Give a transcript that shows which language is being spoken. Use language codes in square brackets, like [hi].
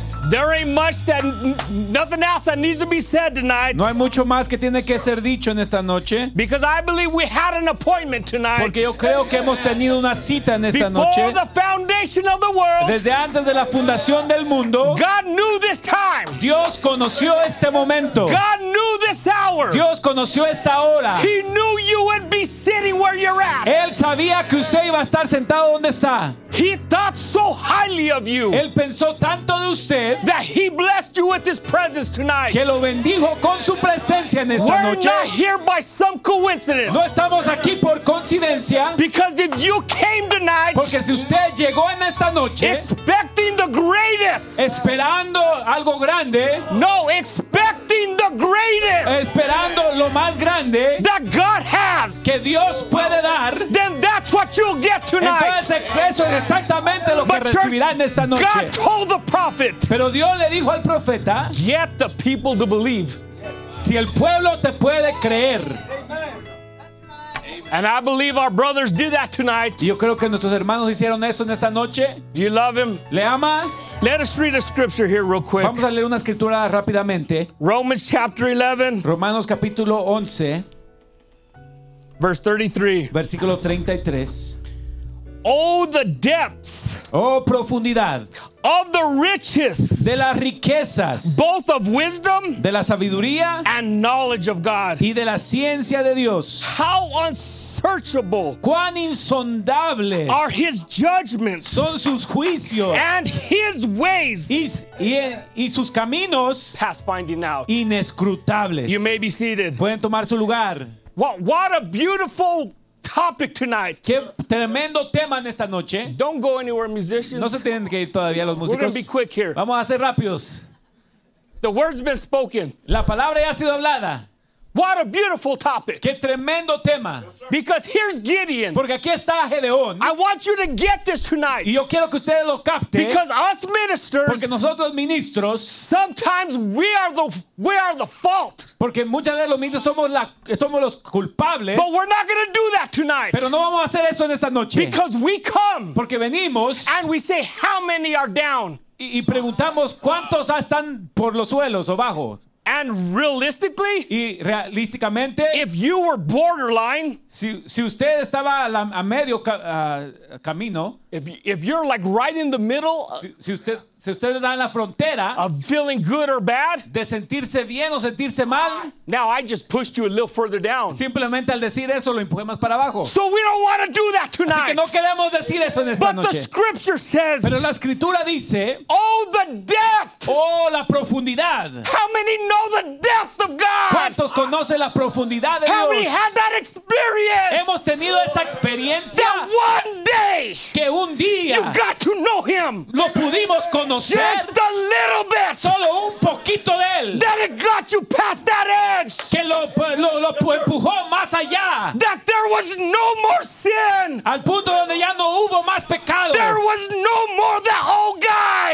[en] There ain't much that nothing else that needs to be said tonight. [es] No hay mucho más que tiene que ser dicho en esta noche. [en] Because I believe we had an appointment tonight. [es] Porque yo creo que hemos tenido una cita en esta noche. [en] Before the foundation of the world. [es] Desde antes de la fundación del mundo. [en] God knew this time. [es] Dios conoció este momento. [en] God knew this hour. [es] Dios conoció esta hora. [en] He knew you would be sitting where you're at. [es] Él sabía que usted iba a estar sentado donde está. [en] He thought so highly of you. [es] Él pensó tanto de usted. [en] That he blessed you with his presence tonight. [es] Que lo bendijo con su presencia en esta [en] We're [es] noche. [en] We're not here by some coincidence. [es] No estamos aquí por coincidencia. [en] Because if you came tonight. [es] Porque si usted llegó en esta noche. [en] Expecting the greatest. [es] Esperando algo grande. [en] No, expecting the greatest. [es] Esperando lo más grande. [en] That God has. [es] Que Dios puede dar. [en] Then that's what you'll get tonight. [es] Entonces eso es exactamente lo que recibirá en esta noche. [en] God told the prophet. [es] Pero Dios le dijo al profeta, [en] get the people to believe. [es] Si el pueblo te puede creer. [en] Amen. That's right. [es] Amen. [en] And I believe our brothers did that tonight. [es] Yo creo que nuestros hermanos hicieron eso en esta noche. [en] Do you love him? [es] ¿Le ama? [en] Let us read a scripture here real quick. [es] Vamos a leer una escritura rápidamente. [en] Romans chapter 11. [es] Romanos capítulo 11. [en] Verse 33. [es] Versículo 33. [en] Oh, the depth. [es] Oh, profundidad. [en] Of the riches, [es] de las riquezas, [en] both of wisdom, [es] de la sabiduría, [en] and knowledge of God, [es] y de la ciencia de Dios. [en] How unsearchable, [es] cuán insondables, [en] are his judgments, [es] son sus juicios, [en] and his ways, [es] y sus caminos, [en] past finding out, [es] inescrutables. [en] You may be seated. [es] Pueden tomar su lugar. [en] What a beautiful topic tonight. [es] Qué tremendo tema en esta noche. [en] Don't go anywhere, musicians. [es] No se tienen que ir todavía los músicos. [en] We're gonna be quick here. [es] Vamos a ser rápidos. [en] The word's been spoken. [es] La palabra ya ha sido hablada. [en] What a beautiful topic. [es] Qué tremendo tema. [en] Because here's Gideon. [es] Porque aquí está Gedeón. [en] I want you to get this tonight. [es] Y yo quiero que ustedes lo capten. [en] Because us ministers, [es] porque nosotros ministros, [en] sometimes we are the fault. [es] Porque muchas veces los ministros somos los culpables. [en] But we're not going to do that tonight. [es] Pero no vamos a hacer eso en esta noche. [en] Because we come. [es] Porque venimos. [en] And we say how many are down. [es] Y preguntamos cuántos están por los suelos o bajo. [en] And realistically, [es] y realísticamente, [en] if you were borderline, [es] si usted estaba a medio camino, [en] if you're like right in the middle, [es] si usted está en la frontera, [en] of feeling good or bad, [es] de sentirse bien o sentirse mal, [en] now I just pushed you a little further down. [es] Simplemente al decir eso lo empujé más para abajo. [en] So we don't want to do that tonight. [es] Así que no queremos decir eso en esta noche. [en] But the scripture says. [es] Pero la escritura dice. [en] Oh, the depth. [es] Oh, la profundidad. [en] How many know the depth of God? [es] ¿Cuántos conocen la profundidad de Dios? [en] How many had that experience? [es] Hemos tenido esa experiencia. [en] That one day. [es] Que un día. [en] You got to know him. [es] Lo pudimos conocer. [en] Just a little bit. [es] Solo un poquito de él. [en] That it got you past that edge. [es] Que lo empujó más allá. [en] That there was no more sin. [es] Al punto donde ya no hubo más pecado. [en] There was no more that old guy.